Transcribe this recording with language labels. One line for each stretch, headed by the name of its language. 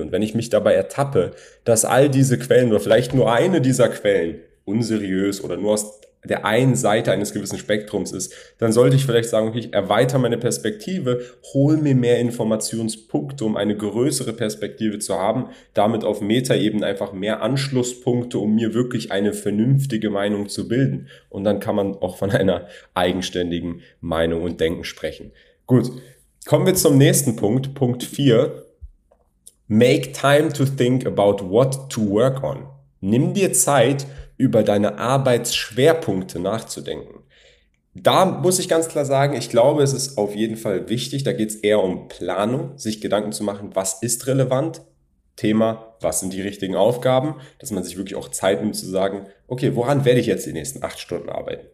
German: Und wenn ich mich dabei ertappe, dass all diese Quellen oder vielleicht nur eine dieser Quellen unseriös oder nur aus der einen Seite eines gewissen Spektrums ist, dann sollte ich vielleicht sagen, okay, ich erweitere meine Perspektive, hole mir mehr Informationspunkte, um eine größere Perspektive zu haben, damit auf Metaebene einfach mehr Anschlusspunkte, um mir wirklich eine vernünftige Meinung zu bilden. Und dann kann man auch von einer eigenständigen Meinung und Denken sprechen. Gut, kommen wir zum nächsten Punkt, Punkt 4.
English: Make time to think about what to work on.
German: Nimm dir Zeit, über deine Arbeitsschwerpunkte nachzudenken. Da muss ich ganz klar sagen, ich glaube, es ist auf jeden Fall wichtig, da geht es eher um Planung, sich Gedanken zu machen, was ist relevant, Thema, was sind die richtigen Aufgaben, dass man sich wirklich auch Zeit nimmt zu sagen, okay, woran werde ich jetzt die nächsten 8 Stunden arbeiten?